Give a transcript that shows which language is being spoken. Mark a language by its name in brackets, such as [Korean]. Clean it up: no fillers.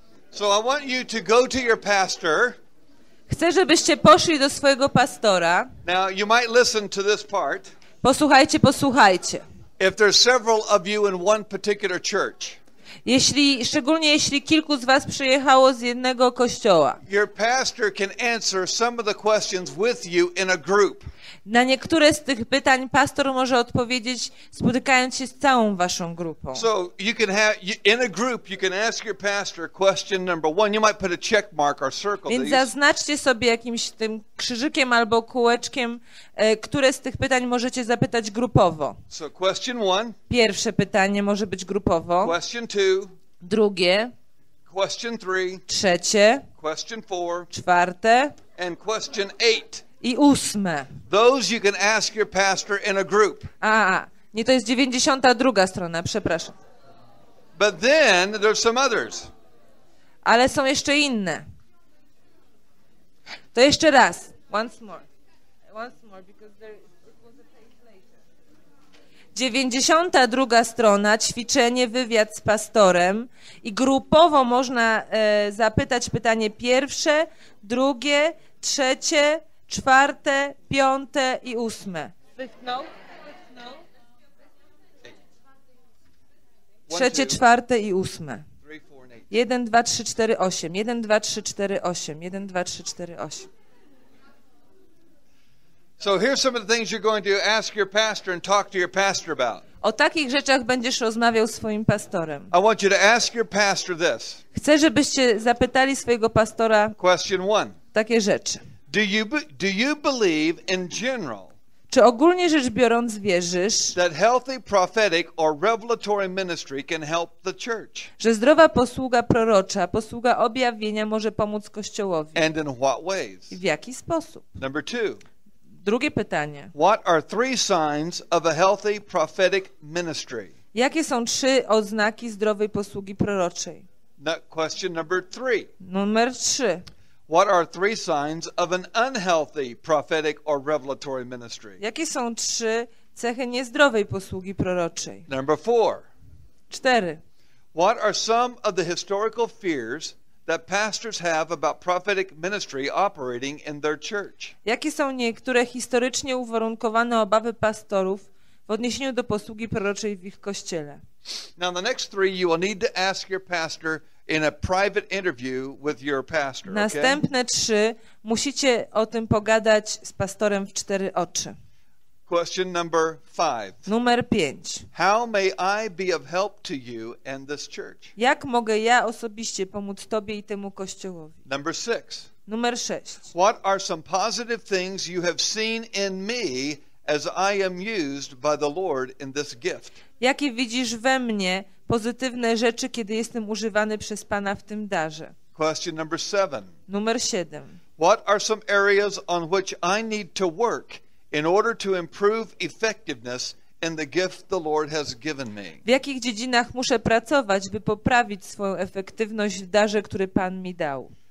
[English] So I want you to go to your pastor. [Polish] Chcę, żebyście poszli do swojego pastora. [English] Now you might listen to this part. [Polish] Posłuchajcie. [English] If there's several of you in one particular church. [Polish] Szczególnie jeśli kilku z was przyjechało z jednego kościoła. [English] Your pastor can answer some of the questions with you in a group. [Polish] Na niektóre z tych pytań pastor może odpowiedzieć, spotykając się z całą waszą grupą. [English] So you can have in a group you can ask your pastor question number one. You might put a check mark or circle. [Polish] Więc zaznaczcie sobie jakimś tym krzyżykiem albo kółeczkiem, które z tych pytań możecie zapytać grupowo. [English] So question one. [Polish] Pierwsze pytanie może być grupowo. [English] Question two. [Polish] Drugie. [English] Question three. [Polish] Trzecie. [English] Question four. [Polish] Czwarte. [English] And question eight. [Polish] I ósme. [English] Those you can ask your pastor in a group. [Polish] Nie, to jest 92 strona, przepraszam. [English] But then there's some others. [Polish] Ale są jeszcze inne. To jeszcze raz. [English] Once more, because there was a page later. [Polish] 92 strona, ćwiczenie, wywiad z pastorem. I grupowo można zapytać pytanie pierwsze, drugie, trzecie, czwarte, piąte i ósme. Trzecie, czwarte i ósme. 1, 2, 3, 4, 8. 1, 2, 3, 4, 8. 1, 2, 3, 4, 8. [English] So here's some of the things you're going to ask your pastor and talk to your pastor about. [Polish] O takich rzeczach będziesz rozmawiał z swoim pastorem. [English] I want you to ask your pastor this. [Polish] Chcę, żebyście zapytali swojego pastora. [English] Question one. [Polish] Takie rzeczy. [English] Do you believe in general? [Polish] Czy ogólnie rzecz biorąc wierzysz, [English] that healthy prophetic or revelatory ministry can help the church? [Polish] Że zdrowa posługa prorocza, posługa objawienia może pomóc kościołowi. [English] And in what ways? [Polish] W jaki sposób? [English] Number two. [Polish] Drugie pytanie. [English] What are three signs of a healthy prophetic ministry? [Polish] Jakie są trzy oznaki zdrowej posługi proroczej? [English] Question number three. [Polish] Numer trzy. [English] What are three signs of an unhealthy prophetic or revelatory ministry? [Polish] Jakie są trzy cechy niezdrowej posługi proroczej? [English] Number four. [Polish] Cztery. [English] What are some of the historical fears that pastors have about prophetic ministry operating in their church? [Polish] Jakie są niektóre historycznie uwarunkowane obawy pastorów w odniesieniu do posługi proroczej w ich kościele? [English] Now the next three you will need to ask your pastor in a private interview with your pastor, okay? [Polish] Następne trzy musicie o tym pogadać z pastorem w cztery oczy. [English] Question number five. [Polish] Numer pięć. [English] How may I be of help to you and this church? [Polish] Jak mogę ja osobiście pomóc tobie i temu kościołowi? [English] Number six. [Polish] Numer sześć. [English] What are some positive things you have seen in me as I am used by the Lord in this gift? [Polish] Jakie widzisz we mnie pozytywne rzeczy, kiedy jestem używany przez Pana w tym darze? [English] Question number seven. [Polish] Numer siedem. [English] What are some areas on which I need to work in order to improve effectiveness in the gift the Lord has given me? [Polish] W jakich dziedzinach muszę pracować, by poprawić swoją efektywność w darze, który Pan mi dał?